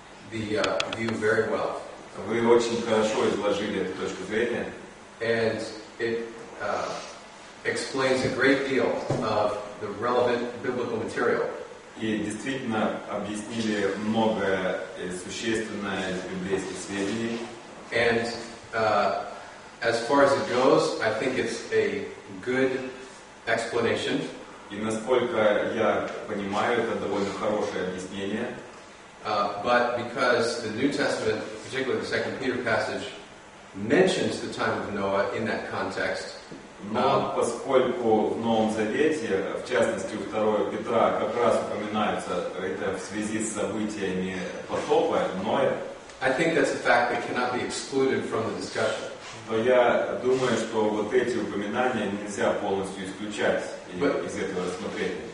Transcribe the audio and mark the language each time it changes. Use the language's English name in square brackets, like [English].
[Russian] Вы очень хорошо изложили эту точку зрения. [English] And it explains a great deal of the relevant biblical material. [Russian] И действительно объяснили много существенное из библейских сведений. [English] And as far as it goes, I think it's a good explanation. [Russian] И насколько я понимаю, это довольно хорошее объяснение. [English] But because the New Testament, particularly the 2 Peter passage, mentions the time of Noah in that context. [Russian] Но поскольку в Новом Завете, в частности у 2 Петра, как раз упоминается это в связи с событиями потопа Ноя. [English] I think that's a fact that cannot be excluded from the discussion. [Russian] Но я думаю, что вот эти упоминания нельзя полностью исключать из этого рассмотрения.